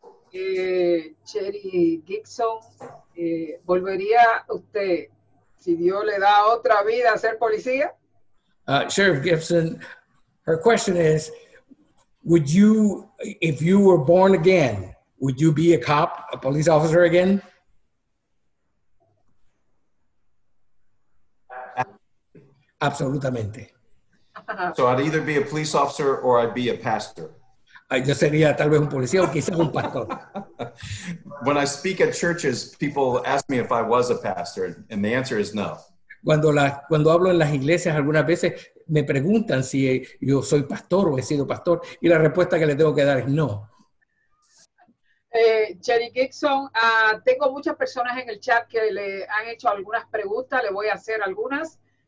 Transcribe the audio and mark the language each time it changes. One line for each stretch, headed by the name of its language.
Spanish: Cherry Gibson, ¿volvería usted, si Dios le da otra vida, a ser policía?
English: Sheriff Gibson, her question is, would you, if you were born again, would you be a cop, a police officer again?
Spanish: Absolutamente.
English: So I'd either be a police officer or I'd be a pastor.
Spanish: Yo sería tal vez un policía o quizás un pastor.
English: When I speak at churches, people ask me if I was a pastor, and the answer is no.
Spanish: Cuando hablo en las iglesias, algunas veces me preguntan si yo soy pastor o he sido pastor, y la respuesta que le tengo que dar es no. Cherry Gibson, tengo muchas personas en el chat que le han hecho algunas preguntas, le voy a hacer algunas.